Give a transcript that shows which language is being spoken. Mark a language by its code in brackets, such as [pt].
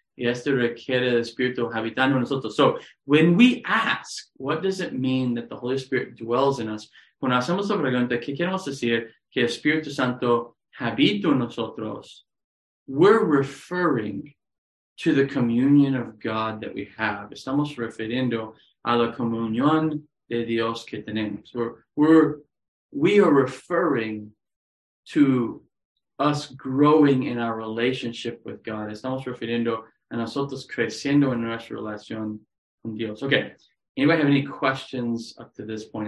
[es] Y esto requiere el Espíritu habitando en nosotros. [en] So, when we ask, what does it mean that the Holy Spirit dwells in us? [es] Cuando hacemos la pregunta, ¿qué queremos decir? Que el Espíritu Santo habita en nosotros. [en] We're referring to the communion of God that we have. [es] Estamos refiriendo a la comunión de Dios que tenemos. [en] We are referring to us growing in our relationship with God. [es] Estamos refiriendo a nosotros creciendo en nuestra relación con Dios. [en] Okay, anybody have any questions up to this point?